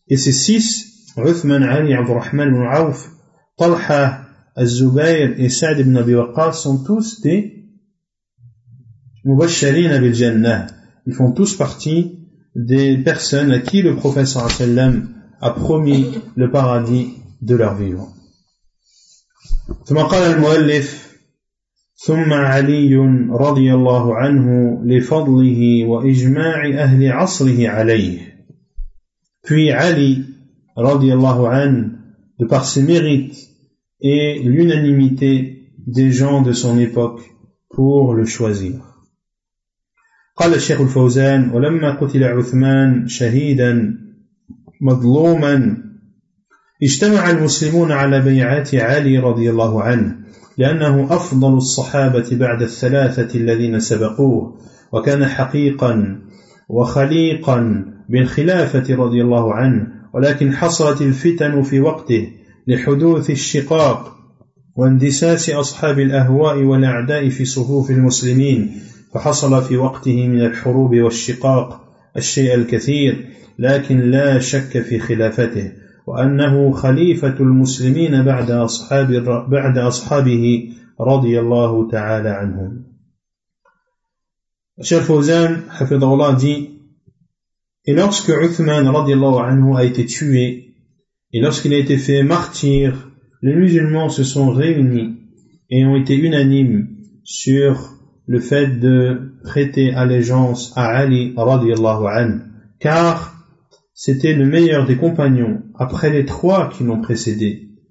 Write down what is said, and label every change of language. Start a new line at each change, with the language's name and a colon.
French: Et ces 6, Uthman, Ali, Abu Rahman ibn Auf, Talha, Az-Zubayr et Sa'd ibn Abi Waqqas sont tous des Mubashirin bil Jannah. Ils font tous partie des personnes à qui le prophète
Arabic: sallallahu alayhi wa sallam
French: a promis le paradis de leur vivant.
Arabic: ثم قال المؤلف ثم علي رضي الله عنه لفضله وإجماع أهل عصره عليه.
French: Puis Ali
Arabic: رضي الله عنه,
French: de par ses mérites et l'unanimité des gens de son époque pour le choisir.
Arabic: قال الشيخ الفوزان ولما قتل عثمان شهيدا مظلوما اجتمع المسلمون على بيعة علي رضي الله عنه لأنه أفضل الصحابة بعد الثلاثة الذين سبقوه وكان حقيقا وخليقا بالخلافة رضي الله عنه ولكن حصلت الفتن في وقته لحدوث الشقاق واندساس أصحاب الأهواء والأعداء في صفوف المسلمين فحصل في وقته من الحروب والشقاق الشيء الكثير لكن لا شك في خلافته وأنه خليفة المسلمين بعد أصحابه رضي الله تعالى عنهم. الشيخ فوزان حفظه الله
French: dit: Et lorsque Uthman
Arabic: رضي الله عنه
French: a été tué et lorsqu'il a été fait martyr, les musulmans se sont réunis et ont été unanimes sur le fait de prêter allégeance à Ali رضي الله عنه, car c'était le meilleur des compagnons après les 3 qui l'ont précédé.